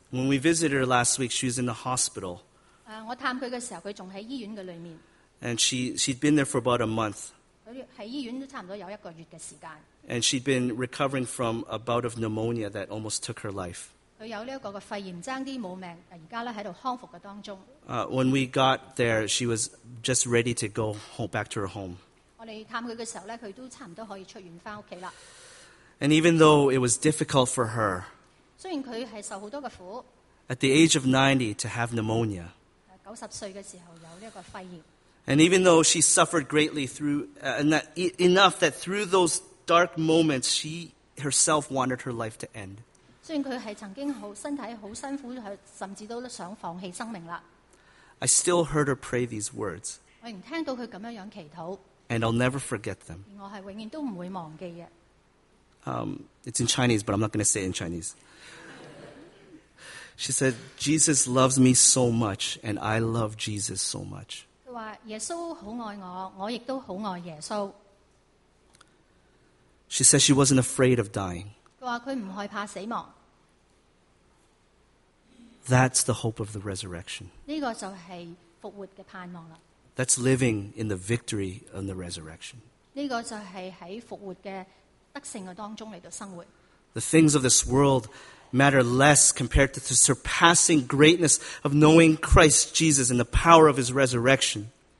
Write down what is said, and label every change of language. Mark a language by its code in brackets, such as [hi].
[en] When we visited her last week, she was in the hospital. [zh] 我探她的时候,她还在医院里面。 [en] And she'd been there for about a month. [zh] 她在医院差不多有一个月的时间。 [en] And she'd been recovering from a bout of pneumonia that almost took her life. [zh] 她有这个肺炎差点没命,现在在康复的当中。 [en] When we got there, she was just ready to go home, back to her home. [zh] 我们探她的时候,她都差不多可以出院回家了。 [en] And even though it was difficult for her, [zh] 雖然她受很多的苦, [en] at the age of 90 to have pneumonia, [zh] 90岁的时候有这个肺炎, [en] and even though she suffered greatly through enough that through those dark moments, she herself wanted her life to end. [zh] 雖然她曾经身体很辛苦,甚至都想放弃生命了, [en] I still heard her pray these words. [zh] 我仍听到她这样祈祷, [en] and I'll never forget them. [zh] 而我是永远都不会忘记的。 [en] It's in Chinese, but I'm not going to say it in Chinese. She said, Jesus loves me so much, and I love Jesus so much. [zh] 她说,耶稣很爱我,我也很爱耶稣。 [en] She said she wasn't afraid of dying. [zh] 她说,她不害怕死亡。 [en] That's the hope of the resurrection. [zh] 这个就是复活的盼望了。 [en] That's living in the victory of the resurrection. [zh] 这个就是在复活的 [en] The things of this world matter less compared to the surpassing greatness of knowing Christ Jesus and the power of His resurrection.